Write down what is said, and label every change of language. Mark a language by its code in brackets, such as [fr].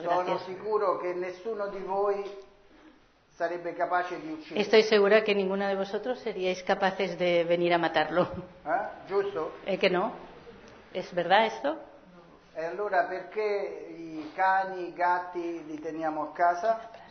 [it] sono [es] gracias. [it] Sono sicuro che nessuno di voi sarebbe capace di uccidere. [es] Estoy segura que ninguna de vosotros seríais capaces de venir a matarlo. [it] Giusto? [es] Que no. ¿Es verdad esto? [it] E allora perché i cani, i gatti li teniamo a casa?